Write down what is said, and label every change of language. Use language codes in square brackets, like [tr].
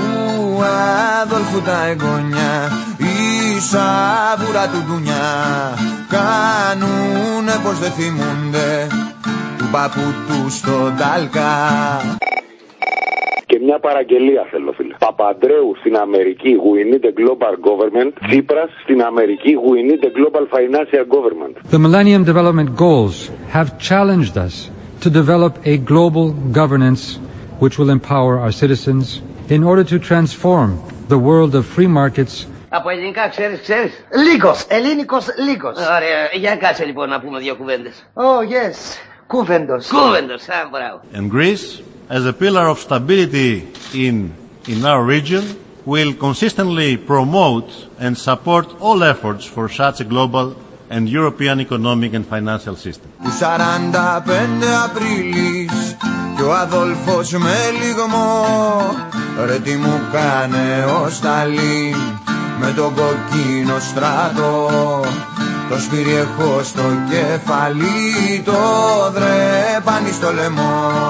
[el] Μου αδόλφου τα εγγόνια, η σαβούρα του ντουνιά, κάνουνε πως δεν θυμούνται του παππού του στον Ταλκά. Και μια παραγγελία θέλω, φίλε. Παπαντρέου στην Αμερική, [en] we need a global government. [el] Τσίπρας στην Αμερική, [en] we need a global financial government. The Millennium Development Goals have challenged us to develop a global governance which will empower our citizens in order to transform the world of free markets. [el] Από ελληνικά ξέρεις. Λίγος, ελλήνικος λίγος. Ωραία, για κάτσε λοιπόν να πούμε δύο κουβέντες. [en] Oh, yes. Κούβεντος, [el] μπράβο. [en] And Greece, as a pillar of stability in our region, will consistently promote and support all efforts for such a global and European economic and financial system. [el] 45 Απρίλης κι ο Αδόλφος με λιγμό, ρε τι μου κάνε ο Σταλίν με τον κοκκίνο στρατό. Το σπίρι έχω στο κεφαλί, το δρεπάνι στο λαιμό.